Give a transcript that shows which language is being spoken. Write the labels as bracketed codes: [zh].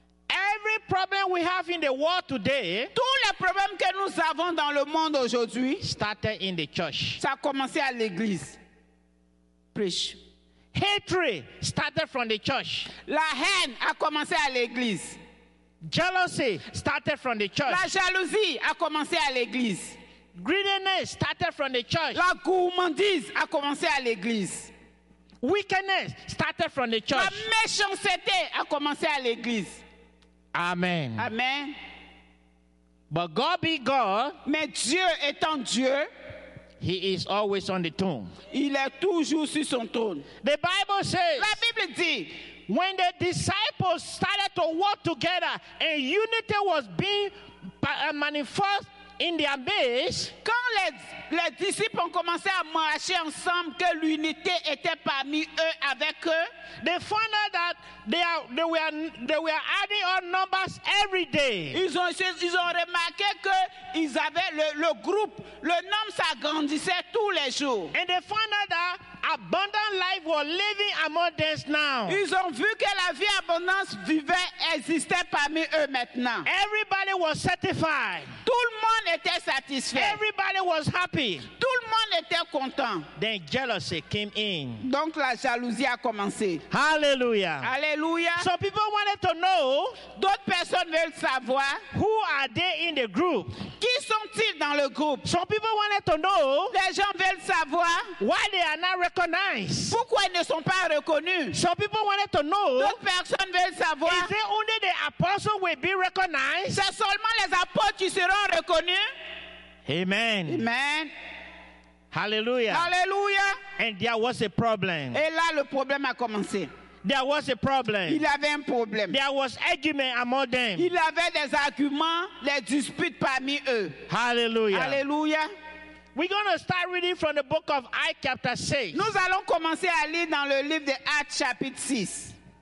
[en] Every problem we have in the world today, [fr] tous les problèmes que nous avons dans le monde aujourd'hui, [en] started in the church. [fr] Ça a commencé à l'église. [en] Preach. Hatred started from the church. [fr] La haine a commencé à l'église. [en] Jealousy started from the church. [fr] La jalousie a commencé à l'église. [en] Greediness started from the church. [fr] La gourmandise a commencé à l'église. [en] Wickedness started from the church. [fr] La méchanceté a commencé à l'église. [en] Amen. [fr] Amen. [en] But God be God. [fr] Mais Dieu étant Dieu, [en] He is always on the throne. [fr] Il est toujours sur son trône. [en] The Bible says. [fr] La Bible dit. [en] When the disciples started to walk together and unity was being manifest in their midst, [fr] quand les disciples ont commencé à marcher ensemble, que l'unité était parmi eux avec eux, [en] they found out that they were adding on numbers every day. [fr] Ils ont remarqué que ils avaient le groupe, le nombre s'agrandissait tous les jours. [en] And they found out that abundant life was living among them now. [fr] Ils ont vu que la vie abondance vivait, existait parmi eux maintenant. [en] Everybody was satisfied. [fr] Tout le monde était satisfait. [en] Everybody was happy. [fr] Tout le monde était content. [en] Then jealousy came in. [fr] Donc la jalousie a commencé. [en] Hallelujah. [fr] Hallelujah. [en] Some people wanted to know. [fr] D'autres personnes veulent savoir. [en] Who are they in the group? [fr] Qui sont-ils dans le groupe? [en] Some people wanted to know. [fr] Les gens veulent savoir. [en] Why they are not recognized? [fr] Pourquoi ils ne sont pas reconnus? [en] Some people wanted to know. [fr] D'autres personnes veulent savoir. [en] Is it only the apostles will be recognized? [fr] C'est seulement les apôtres qui seront reconnus? [en] Amen. [fr] Amen. [en] Hallelujah. [fr] Hallelujah. [en] And there was a problem. [fr] Et là, le problème a commencé. [en] There was a problem. [fr] Il avait un problème. [en] There was argument among them. [fr] Il avait des arguments, des disputes parmi eux. [en] Hallelujah. [fr] Hallelujah. [en] We're going to start reading from the book of Acts chapter 6. [fr] Nous allons commencer à lire dans le livre de Actes chapitre 6.